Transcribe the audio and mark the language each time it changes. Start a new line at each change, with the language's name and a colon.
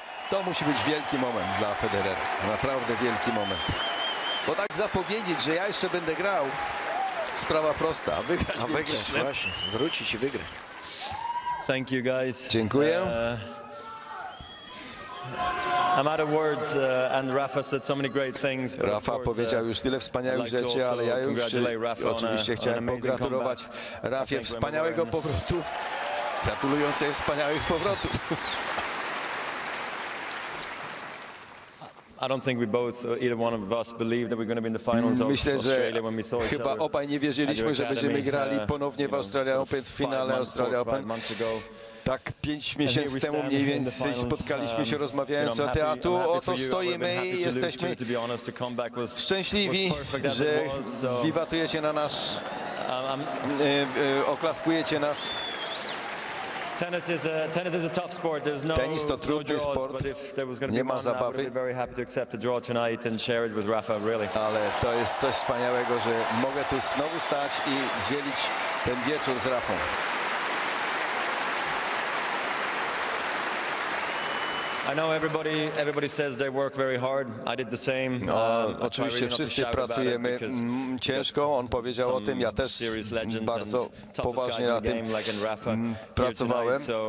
Polish: To musi być wielki moment dla Federera. Naprawdę wielki moment. Bo tak zapowiedzieć, że ja jeszcze będę grał, sprawa prosta, wygrać właśnie, wrócić i wygrać.
English: Thank you guys.
Polish: Dziękuję.
English: I'm out of words, and Rafa said so many great things.
Polish: Rafa powiedział już tyle wspaniałych rzeczy, ale ja już oczywiście chciałem pogratulować Rafie wspaniałego powrotu. Gratuluję sobie wspaniałych powrotów.
English: I don't think we both, either one of us, believed that we're going to be in the finals of Australia when we saw each other.
Polish: Obaj nie wierzyliśmy, że będziemy grali ponownie w Australia Open, w finale Australia Open. Tak 5 miesięcy temu mniej więcej spotkaliśmy się, rozmawiając o teatru. Oto stoimy i jesteśmy szczęśliwi, że wiwatujecie na nas, oklaskujecie nas.
English: Tennis is a tough sport. There's no
Polish: tennis to trudny
English: draws,
Polish: sport.
English: But if there was going to be one, I'd be very happy to accept the draw tonight and share it with Rafa, really.
Polish: Ale to jest coś wspaniałego, że mogę tu znowu stać i dzielić ten wieczór z Rafą.
English: I know everybody says they work very hard. I did the same.
Polish: No, oczywiście wszyscy pracujemy ciężko. On powiedział o tym. Ja też bardzo poważnie na tym pracowałem.